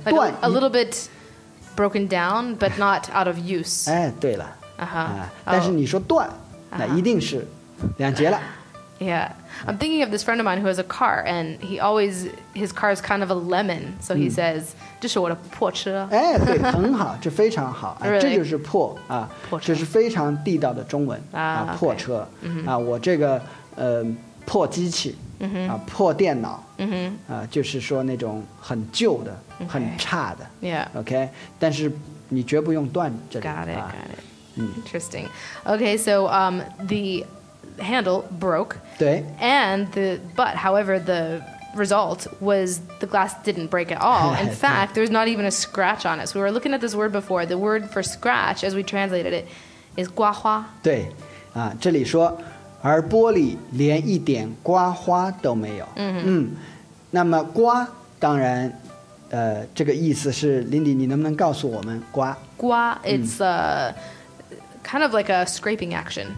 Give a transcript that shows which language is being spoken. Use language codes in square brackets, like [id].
[en] like、断 a little bit broken down but not out of use [zh] 哎对了、 uh-huh. 啊、但是你说断、那一定是两节了 [en] Yeah, I'm thinking of this friend of mine who has a car, and he always, his car is kind of a lemon, so he says, [zh] 这是我的破车。哎，对，很好，这非常好。 [en] Really? [zh] 这就是破，啊，破车。这是非常地道的中文，啊，破车。 [en] Okay. [zh] 啊，我这个，破机器，啊，破电脑，啊，就是说那种很旧的，很差的。 [en] Yeah. [zh] Okay, 但是你绝不用断这里。 [en] Got it, got it. 嗯。 Interesting. Okay, so, the... handle broke [zh] 对 [en] and the but however the result was the glass didn't break at all in fact there's not even a scratch on it so we were looking at this word before the word for scratch as we translated it is 刮花 [zh] 对、啊、这里说而玻璃连一点刮花都没有、 mm-hmm. 嗯那么刮当然这个意思是 Lindy 你能不能告诉我们刮 [en] 刮 it's a、嗯 Kind of like a scraping action,、